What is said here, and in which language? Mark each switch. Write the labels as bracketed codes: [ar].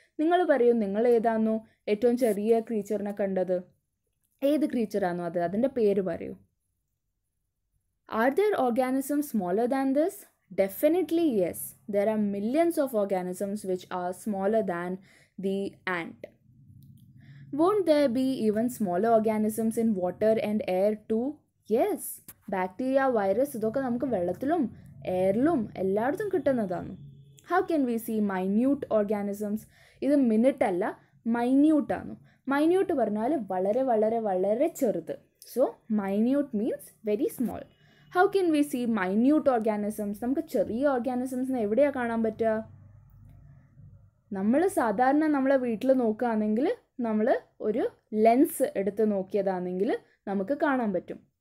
[ml] നിങ്ങൾ പറയൂ, നിങ്ങൾ ഏതാണ് ഏറ്റവും ചെറിയ ക്രീച്ചറിനെ കണ്ടത്? ഏത് ക്രീച്ചറാണോ അത്, അതിൻ്റെ പേര് പറയൂ. [en] Are there organism smaller than this? Definitely yes. There are millions of organisms which are smaller than the ant. Won't there be even smaller organisms in water and air too? Yes. [ml] Bacteria, virus, ഇതൊക്കെ നമുക്ക് വെള്ളത്തിലും എയറിലും എല്ലായിടത്തും കിട്ടുന്നതാണ്. [en] How can we see minute organisms? [ml] ഇത് minute അല്ല, minute ആണ്. Minute പറഞ്ഞാൽ വളരെ വളരെ വളരെ ചെറുത്. [en] So minute means very small. How can we see minute organisms? [ml] നമുക്ക് ചെറിയ ഓർഗാനിസംസിനെ എവിടെയാണ് കാണാൻ പറ്റുക? നമ്മൾ സാധാരണ നമ്മളെ വീട്ടിൽ നോക്കുകയാണെങ്കിൽ, നമ്മൾ ഒരു ലെൻസ് എടുത്ത് നോക്കിയതാണെങ്കിൽ നമുക്ക് കാണാൻ പറ്റും.